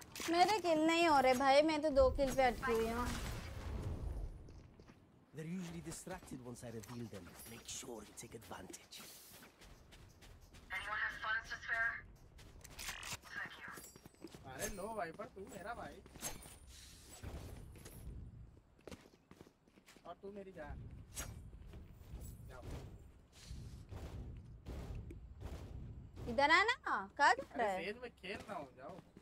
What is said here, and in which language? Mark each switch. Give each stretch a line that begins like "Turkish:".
Hindi: मेरे किल नहीं हो रहे भाई मैं तो दो किल पे अटकी हुई हूं
English: They're usually distracted once I reveal them make sure you take advantage Anyone has funds to spare? Thank you
Hindi: अरे लो भाई पर तू मेरा भाई और तू मेरी जान जाओ इधर आना कहां जा रहे हो अरे फेज में खेल रहा हूं जाओ